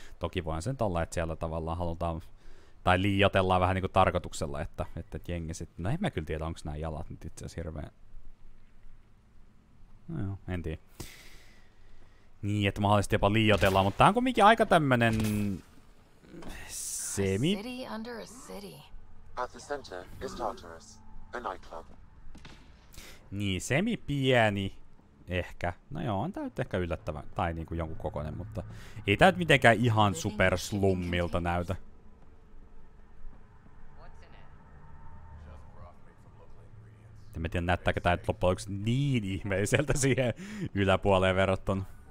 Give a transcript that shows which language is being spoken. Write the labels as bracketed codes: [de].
[fi] Toki voin sen olla, että siellä tavallaan halutaan, tai liioitellaan vähän niinku tarkoituksella, että jengi sitten, no en mä kyllä tiedä, onks nää jalat nyt itse asiassa hirveen. No joo, en tiedä. Niin, että mahdollisesti jopa liioitellaan, mutta tää on kumminkin aika tämmönen semi. [en] City under a city. At the center is Tartarus, a nightclub. [fi] Niin, semi pieni ehkä. No joo, on tää nyt ehkä yllättävä, tai niinku jonkun kokoinen, mutta ei tää nyt mitenkään ihan super slummilta näytä. En mä tiedä, näyttääkö tää nyt loppujen lopuksi niin ihmeiseltä siihen yläpuoleen verrattuna.